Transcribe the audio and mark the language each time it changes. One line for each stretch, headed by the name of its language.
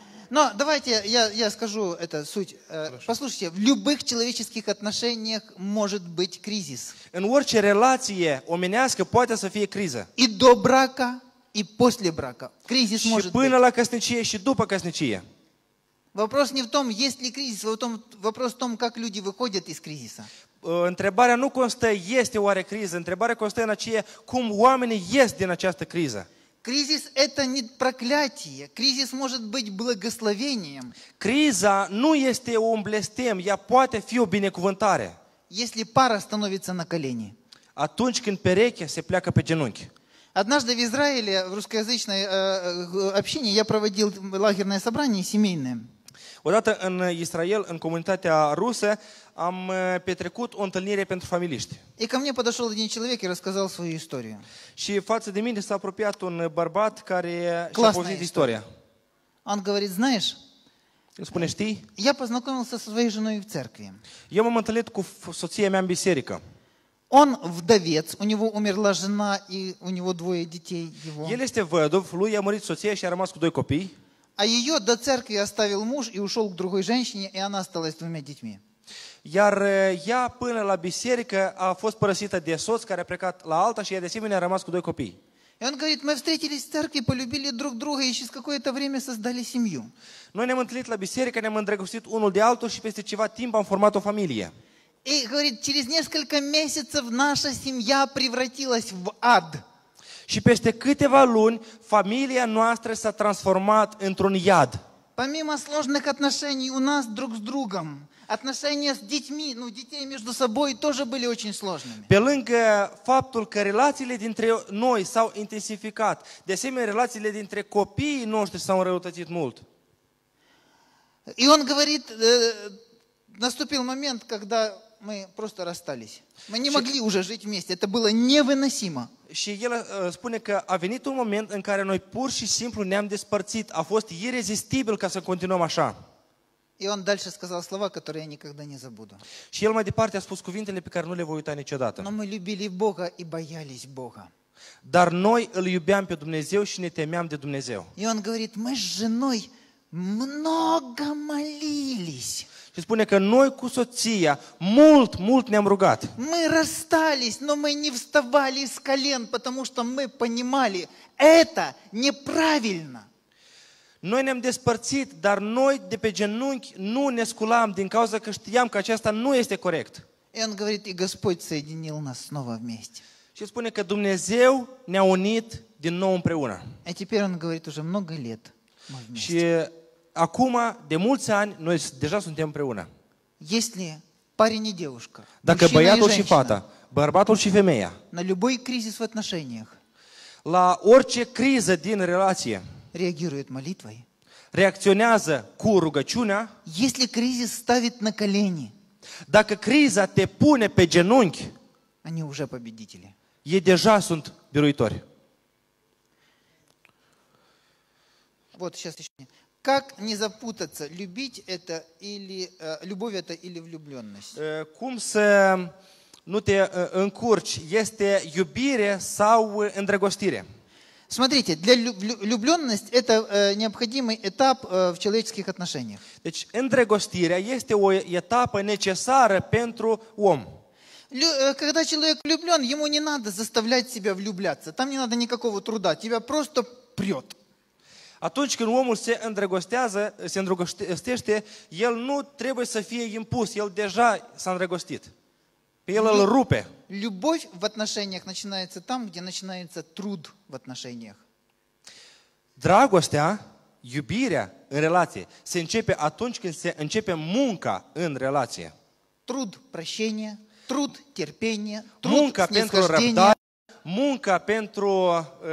Russian: Но давайте я скажу это суть. Послушайте, в любых человеческих отношениях может быть кризис.
Romanian: În orice relație omenească poate să fie criză.
Russian: И до брака, и после брака. Кризис
Romanian: și
Russian: может быть.
Romanian: Și până la căsnicie și după căsnicie.
Russian: Вопрос не в том, есть ли кризис, вопрос в том, как люди выходят из кризиса.
Romanian: Întrebarea nu constă este oare criză, întrebarea constă în aceea cum oamenii ies din această criză.
Russian: Кризис – это не проклятие. Кризис может быть благословением.
Romanian: Криза nu este un blestem, ea poate fi o binecuvântare.
Russian: Если пара становится на колени.
Romanian: Atunci când perechea se pleacă pe genunchi.
Russian: Однажды в Израиле, в русскоязычной общине, я проводил лагерное собрание семейное.
Romanian: Odată în Israel, în comunitatea rusă, am petrecut o întâlnire pentru familiști.
Russian: И ко мне подошел один человек и рассказал свою историю.
Romanian: Și față de mine s-a apropiat un bărbat care și-a povestit istoria.
Russian: Он говорит, знаешь?
Romanian: Spune, știi?
Russian: Я познакомился со своей женой в церкви.
Romanian: Eu m-am întâlnit cu soția mea în biserică.
Russian: Он вдовец, у него умерла жена и у него двое детей его.
Romanian: El este văduv, lui a murit soția și a rămas cu doi copii.
Russian: А ее до церкви оставил муж и ушел к другой женщине, и она осталась с двумя детьми.
Romanian: Iar ea până la biserică a fost părăsită de soț care a plecat la alta și ea de asemenea a rămas cu doi copii.
Russian: И он говорит, мы встретились в церкви, полюбили друг друга и через какое-то время создали семью.
Romanian: Noi ne-am întâlnit la biserică, ne-am îndrăgostit unul de altul și peste ceva timp am format o familie.
Russian: И говорит, через несколько месяцев наша семья превратилась в ад.
Romanian: Și peste câteva luni familia noastră s-a transformat într-un iad.
Russian: Помимо сложных отношений у нас друг с другом, отношения с детьми, ну, детей между собой тоже были очень сложными.
Romanian: Pe lângă faptul că relațiile dintre noi s-au intensificat, de asemenea, relațiile dintre copiii noștri s-au înrăutățit mult.
Russian: И он говорит, наступил момент, когда мы просто расстались. Мы не могли уже жить вместе, это было невыносимо.
Romanian: Și el spune că a venit un moment în care noi pur și simplu ne-am despărțit, a fost irezistibil ca să continuăm așa.
Russian: И он дальше сказал слова, которые я никогда не забуду.
Romanian: Și el mai departe a spus cuvintele pe care nu le voi uita niciodată.
Russian: Но мы любили Бога и боялись Бога.
Romanian: Dar noi îl iubeam pe Dumnezeu și ne temeam de Dumnezeu.
Russian: И он говорит, мы с женой много молились.
Romanian: Și spune că noi cu soția mult, mult ne-am rugat.
Russian: Мы расстались, но мы не вставали с колен, потому что мы понимали, это неправильно.
Romanian: Noi ne-am despărțit, dar noi de pe genunchi nu ne sculam din cauza că știam că aceasta nu este corect.
Russian: И он говорит, и Господь соединил нас снова вместе.
Romanian: Și spune că Dumnezeu ne-a unit din nou împreună.
Russian: И теперь он говорит, уже много лет мы вместе.
Romanian: Și acum, de mulți ani, noi deja suntem împreună.
Russian: Если парень и девушка.
Romanian: Dacă băiatul și fata, bărbatul și femeia.
Russian: На любой кризис в отношениях.
Romanian: La orice criză din relație.
Russian: Реагирует молитвой.
Romanian: Реакционează cu rugăciunea.
Russian: Если кризис ставит на колени.
Romanian: Dacă criza te pune pe genunchi.
Russian: Они уже победители.
Romanian: Ei deja sunt biruitori.
Russian: Вот сейчас еще. Как не запутаться? Любить это или любовь это или влюблённость?
Romanian: Cum să nu te încurci? Este iubire sau îndrăgostire?
Russian: Смотрите, для влюблённость это необходимый этап в человеческих отношениях.
Romanian: Deci îndrăgostirea este o etapă necesară pentru om.
Russian: Когда человек влюблён, ему не надо заставлять себя влюбляться. Там не надо никакого труда, тебя просто прёт.
Romanian: Atunci când omul se îndrăgostează, se îndrăgostește, el nu trebuie să fie impus, el deja s-a îndrăgostit. Pe el îl rupe.
Russian: Любовь в отношениях начинается там, где начинается труд в отношениях.
Romanian: Dragostea, iubirea în relație, se începe atunci când se începe munca în relație.
Russian: Труд прощения, труд терпения, труд
Romanian: Munca pentru răbdare, munca pentru